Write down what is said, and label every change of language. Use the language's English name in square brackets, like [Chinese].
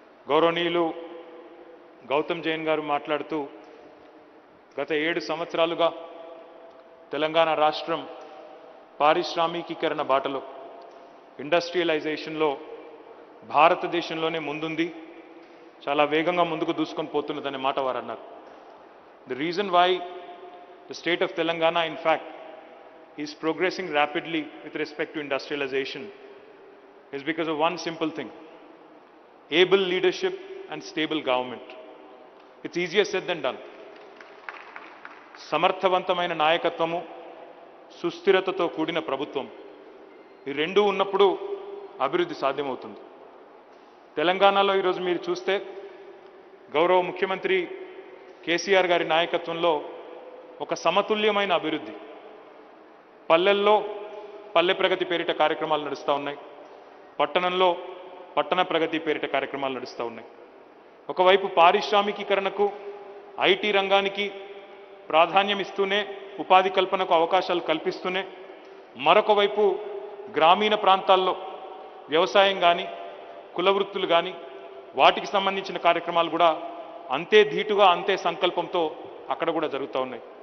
[Telugu] గౌరవనీయులు గౌతమ్ జైన్ గారు మాట్లాడుతూ, గత 7 సంవత్సరాలుగా తెలంగాణ రాష్ట్రం పారిశ్రామికీకరణ బాటలో, ఇండస్ట్రియలైజేషన్లో భారతదేశంలోనే ముందుంది, చాలా వేగంగా ముందుకు దూసుకొని పోతున్నదనే మాట వారన్నారు. [English] The reason why the state of Telangana, in fact, is progressing rapidly with respect to industrialization is because of one simple thing: able leadership and stable government. It's easier said than done. [Telugu] Samarthavantamaina nayakatvamu, susthiratato koodina prabhutvam, ee rendu unnappudu abhivruddhi sadhyamavutundi. Telangana lo ee roju meeru chuste Gaurava Mukhyamantri KCR గారి నాయకత్వంలో ఒక సమతుల్యమైన అభివృద్ధి. పల్లెల్లో పల్లె ప్రగతి పేరిట కార్యక్రమాలు నడుస్తూ ఉన్నాయి, పట్టణంలో పట్టణ ప్రగతి పేరిట కార్యక్రమాలు నడుస్తూ ఉన్నాయి. ఒకవైపు పారిశ్రామికీకరణకు, ఐటీ రంగానికి ప్రాధాన్యం ఇస్తూనే ఉపాధి కల్పనకు అవకాశాలు కల్పిస్తూనే, మరొక వైపు గ్రామీణ ప్రాంతాల్లో వ్యవసాయం కానీ కుల వృత్తులు కానీ వాటికి సంబంధించిన కార్యక్రమాలు కూడా అంతే ధీటుగా అంతే సంకల్పంతో అక్కడ కూడా జరుగుతూ ఉన్నాయి.